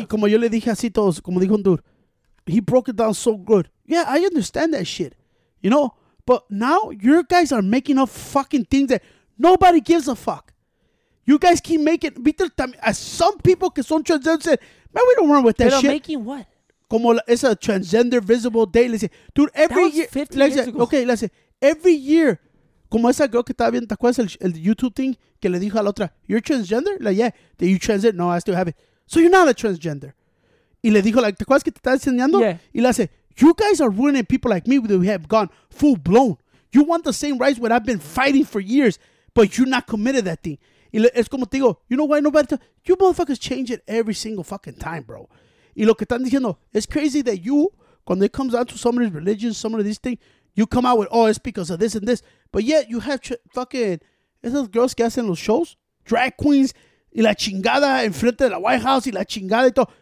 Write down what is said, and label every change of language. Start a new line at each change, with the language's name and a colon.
Spanish: Y como yo le dije así todos, como dijo un dude,
English: he broke it down so good. Yeah, I understand that shit, you know? But now, you guys are making up fucking things that nobody gives a fuck. You guys keep making... As some people
Spanish: que son
English: transgender said, man, we don't run with that
Spanish: pero
English: shit.
Spanish: Pero
English: making what?
Spanish: Como
English: it's a transgender visible day. Let's say, dude, every year... That was 50 years ago. Okay, let's say, every year,
Spanish: como esa girl que estaba viendo, ¿te acuerdas el YouTube thing que le dijo a la otra?
English: You're transgender? Like, yeah. Did you transit? No, I still have it. So you're not a transgender.
Spanish: Y le dijo,
English: like,
Spanish: ¿te acuerdas que te estás enseñando?
English: Yeah.
Spanish: Y le hace...
English: You guys are ruining people like me that we have gone full blown. You want the same rights what I've been fighting for years, but you're not committed that thing.
Spanish: Y es como te digo,
English: you know why nobody... You motherfuckers change it every single fucking time, bro.
Spanish: Y lo que están diciendo,
English: it's crazy that you, when it comes down to some of these religions, some of these things, you come out with, oh, it's because of this and this. But yet, you have fucking...
Spanish: Esas girls que hacen los shows, drag queens, y la chingada en frente de la White House, y la chingada y todo.